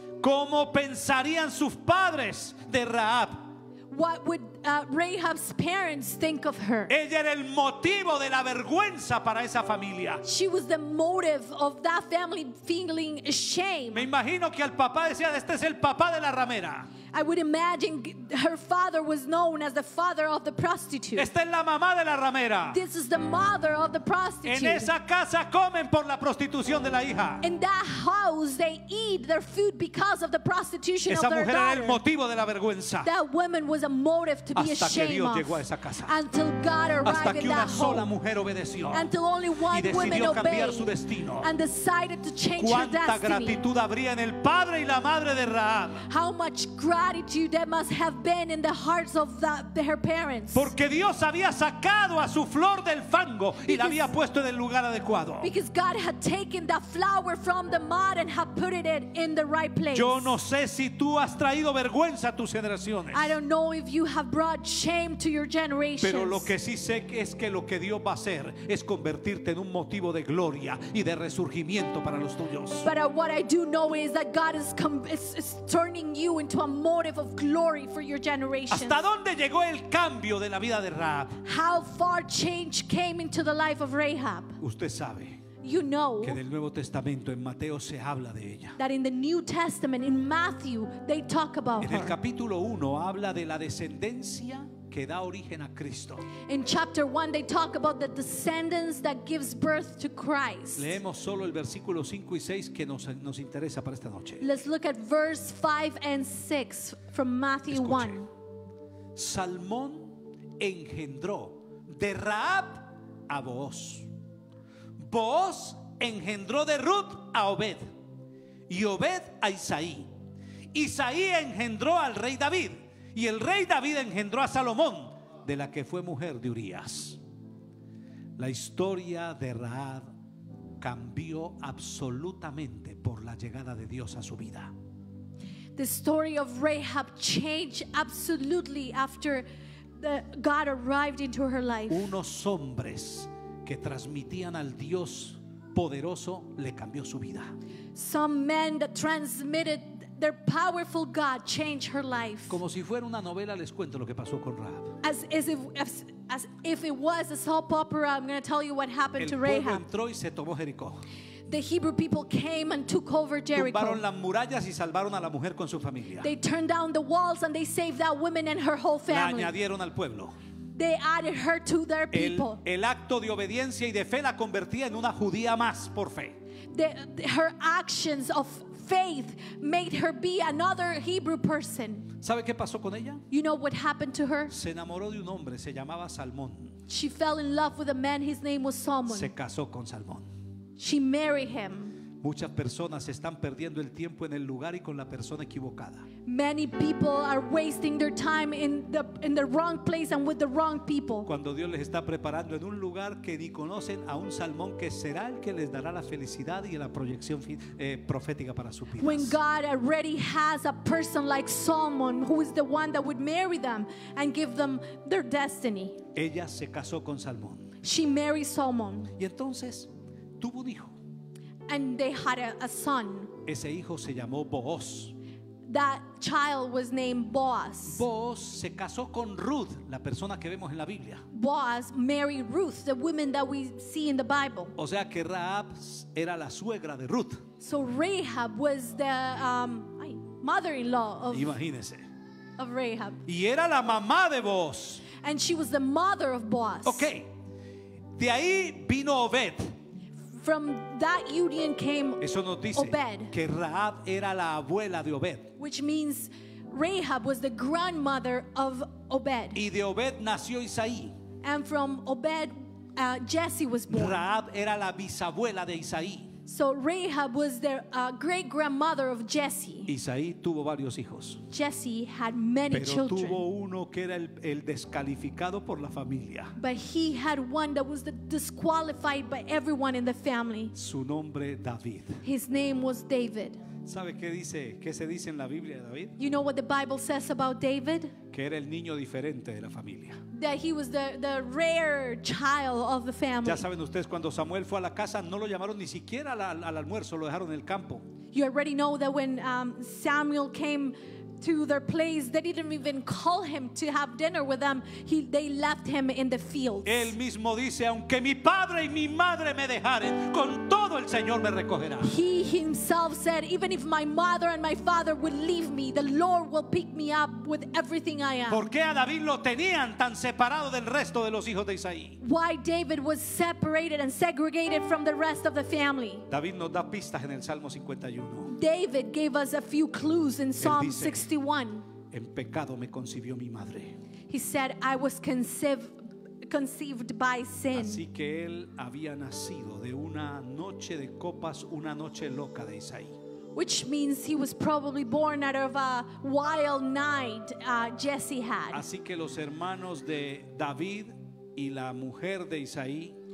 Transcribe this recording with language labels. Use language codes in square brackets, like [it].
[es] ¿Cómo pensarían sus padres de Rahab? [en] What would Rahab's parents think of her? [es] Ella era el motivo de la vergüenza para esa familia. [en] She was the motive of that family feeling shame. [es] Me imagino que al papá decía, este es el papá de la ramera. [en] I would imagine her father was known as the father of the prostitute. [es] Esta es la mamá de la ramera. [en] This is the mother of the prostitute. [es] En esa casa comen por la prostitución de la hija. [en] In that house they eat their food because of the prostitution [es] esa [en] of their daughter. [es] Esa mujer era el motivo de la vergüenza. [en] That woman was a motive to [es] hasta [en] be ashamed of. [es] Hasta que Dios llegó a esa casa. [en] Until God arrived [es] hasta que [en] in that [es] una sola [en] home. [es] Mujer obedeció. [en] Until only one [es] y decidió [en] woman [es] cambiar [en] obeyed [es] su destino. [en] And decided to change [es] cuánta [en] her destiny. [es] Cuánta gratitud habría en el padre y la madre de Rahab. [en] How much gratitude that must have been in the hearts of her parents. [es] Porque Dios había sacado a su flor del fango y la había puesto en el lugar adecuado. [en] Because God had taken that flower from the mud and had put it in the right place. [es] Yo no sé si tú has traído vergüenza a tus generaciones. [en] I don't know if you have brought shame to your generations. [es] Pero lo que sí sé es que lo que Dios va a hacer es convertirte en un motivo de gloria y de resurgimiento para los tuyos. [en] But what I do know is that God is turning you into a motive of glory for your generation. [es] ¿Hasta dónde llegó el cambio de la vida de Rahab? [en] How far change came into the life of Rahab? [es] Usted sabe. [en] You know. [es] Que en el Nuevo Testamento en Mateo se habla de ella. [en] That in the New Testament in Matthew they talk about [es] her. En el capítulo 1 habla de la descendencia que da origen a Cristo. [en] In chapter 1 they talk about the descendants that gives birth to Christ. [es] Leemos solo el versículo 5 y 6 que nos interesa para esta noche. [en] Let's look at verse 5 and 6 from Matthew. [es] Escuche. 1. Salmón engendró de Rahab a Booz. Booz engendró de Ruth a Obed. Y Obed a Isaí. Isaí engendró al rey David. Y el rey David engendró a Salomón, de la que fue mujer de Urías. La historia de Rahab cambió absolutamente por la llegada de Dios a su vida. [en] The story of Rahab changed absolutely after God arrived into her life. [es] Unos hombres que transmitían al Dios poderoso le cambió su vida. [en] Some men that transmitted their powerful God changed her life. [es] Como si fuera una novela, les cuento lo que pasó con Rahab. [en] As if it was a soap opera, I'm going to tell you what happened [es] el [en] to Rahab. [es] Entró y se tomó Jericó. [en] The Hebrew people came and took over Jericho. [es] Tumbaron las murallas y salvaron a la mujer con su familia. [en] They turned down the walls and they saved that woman and her whole family. [es] La añadieron al pueblo. [en] They added her to their people. [es] El acto de obediencia y de fe la convertía en una judía más por fe. [en] Her actions of faith made her be another Hebrew person. [es] ¿Sabe qué pasó con ella? [en] You know what happened to her? [es] Se enamoró de un hombre, se llamaba Salmón. [en] She fell in love with a man, his name was Salmon. [es] Se casó con Salmón. [en] She married him. [es] Muchas personas están perdiendo el tiempo en el lugar y con la persona equivocada. [en] Many people are wasting their time in the wrong place and with the wrong people. [es] Cuando Dios les está preparando en un lugar que ni conocen a un Salmón que será el que les dará la felicidad y la proyección profética para su vida. [en] When God already has a person like Solomon who is the one that would marry them and give them their destiny. [es] Ella se casó con Salmón. [en] She married Solomon. [es] Y entonces tuvo un hijo. [en] And they had a son. [es] Ese hijo se llamó Booz. [en] That child was named Boaz. [es] Boaz se casó con Ruth, la persona que vemos en la Biblia. [en] Boaz married Ruth, the woman that we see in the Bible. [es] O sea que Rahab era la suegra de Ruth. [en] So Rahab was the mother-in-law of, [es] imagínese, [en] of Rahab. [es] Y era la mamá de Boaz. [en] And she was the mother of Boaz. [es] Okay. De ahí vino Obed. [en] From that union came Obed. [es] Eso nos dice que Rahab era la abuela de Obed. [en] Which means Rahab was the grandmother of Obed. [es] Y de Obed nació Isaí. [en] And from Obed, Jesse was born. [es] Rahab era la bisabuela de Isaí. [en] So Rahab was the great grandmother of Jesse. [es] Isaí tuvo varios hijos. [en] Jesse had many [es] Pero [en] children. [es] Tuvo uno que era el descalificado por la familia. [en] But he had one that was the disqualified by everyone in the family. [es] Su nombre David. [en] His name was David. [es] ¿Sabe qué dice? ¿Qué se dice en la Biblia de David? [en] You know what the Bible says about David? [es] Que era el niño diferente de la familia. [en] That he was the rare child of the family. [es] Ya saben ustedes, cuando Samuel fue a la casa, no lo llamaron ni siquiera al almuerzo, lo dejaron en el campo. [en] You already know that when Samuel came to their place, they didn't even call him to have dinner with them. They left him in the fields. [es] Él mismo dice, aunque mi padre y mi madre me dejaren, con todo el Señor me recogerá. [en] He himself said, even if my mother and my father would leave me, the Lord will pick me up with everything I am. [es] ¿Por qué a David lo tenían tan separado del resto de los hijos de Isaí? [en] Why David was separated and segregated from the rest of the family? [es] David nos da pistas en el Salmo 51. [en] David gave us a few clues in Psalm 61. [es] En pecado me concibió mi madre. [en] He said, I was conceived by sin. [es] Así que él había nacido de una noche de copas, una noche loca de Isaí. [en] Which means he was probably born out of a wild night Jesse had. [es] Así que los hermanos de David y la mujer de Isaí.